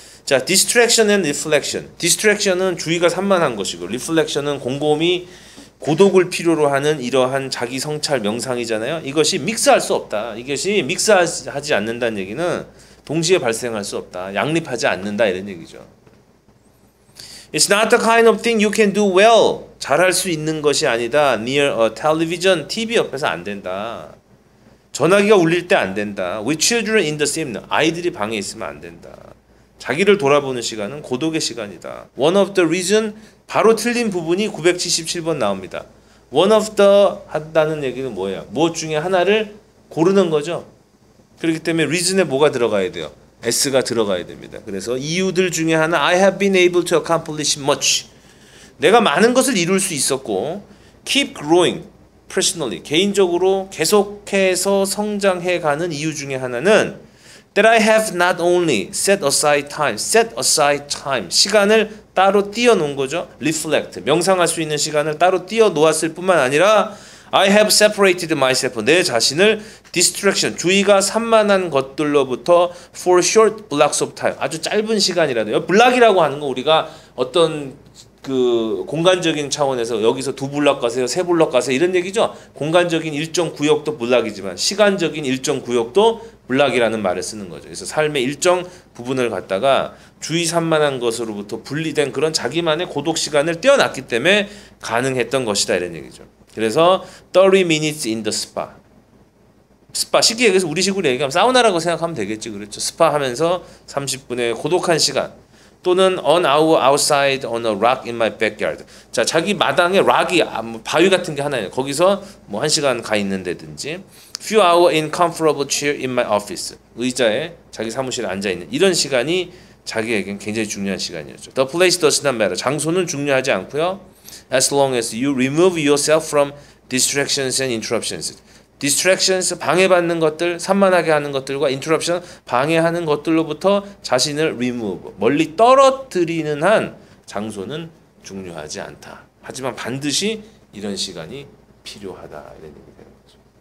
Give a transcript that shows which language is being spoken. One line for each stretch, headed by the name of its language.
English: 자, distraction and reflection.
Korean: distraction은 주의가 산만한 것이고, reflection은 곰곰이 고독을 필요로 하는 이러한 자기 성찰 명상이잖아요. 이것이 믹스할 수 없다. 이것이 믹스하지 않는다는 얘기는 동시에 발생할 수 없다. 양립하지 않는다 이런 얘기죠.
English: It's not the kind of thing you can do well.
Korean: 잘할 수 있는 것이 아니다.
English: Near a television,
Korean: TV 옆에서 안 된다. 전화기가 울릴 때안 된다.
English: With children in the same,
Korean: 아이들이 방에 있으면 안 된다. 자기를 돌아보는 시간은 고독의 시간이다.
English: One of the reason,
Korean: 바로 틀린 부분이 977번 나옵니다.
English: One of the
Korean: 한다는 얘기는 뭐예요? 무엇 중에 하나를 고르는 거죠. 그렇기 때문에 reason에 뭐가 들어가야 돼요? S가 들어가야 됩니다. 그래서 이유들 중에 하나,
English: I have been able to accomplish much.
Korean: 내가 많은 것을 이룰 수 있었고,
English: keep growing personally.
Korean: 개인적으로 계속해서 성장해 가는 이유 중에 하나는
English: That I have not only set aside time,
Korean: 시간을 따로 띄어 놓은 거죠. reflect 명상할 수 있는 시간을 따로 띄어 놓았을 뿐만 아니라
English: I have separated myself
Korean: 내 자신을 distraction 주의가 산만한 것들로부터
English: for short blocks of time
Korean: 아주 짧은 시간이라도요. 블락이라고 하는 거 우리가 어떤 그 공간적인 차원에서 여기서 두 블락 가세요, 세 블락 가세요 이런 얘기죠. 공간적인 일정 구역도 블락이지만 시간적인 일정 구역도 블락이라는 말을 쓰는 거죠. 그래서 삶의 일정 부분을 갖다가 주의 산만한 것으로부터 분리된 그런 자기만의 고독 시간을 떼어놨기 때문에 가능했던 것이다 이런 얘기죠.
English: 그래서 30 minutes in the spa.
Korean: 스파 쉽게 얘기해서 우리식으로 얘기하면 사우나라고 생각하면 되겠지 그렇죠. 스파 하면서 30분의 고독한 시간 또는
English: an hour outside on a rock in my backyard.
Korean: 자, 자기 마당에 락이 바위 같은 게 하나 있어요. 거기서 뭐 한 시간 가 있는데든지
English: few hours in comfortable chair in my office.
Korean: 의자에 자기 사무실에 앉아 있는 이런 시간이 자기에겐 굉장히 중요한 시간이었죠.
English: The place does not matter.
Korean: 장소는 중요하지 않고요.
English: As long as you remove yourself from distractions and interruptions.
Korean: Distractions, 방해받는 것들, 산만하게 하는 것들과 interruption, 방해하는 것들로부터 자신을 remove, 멀리 떨어뜨리는 한 장소는 중요하지 않다. 하지만 반드시 이런 시간이 필요하다. 이런 얘기 되는 거죠.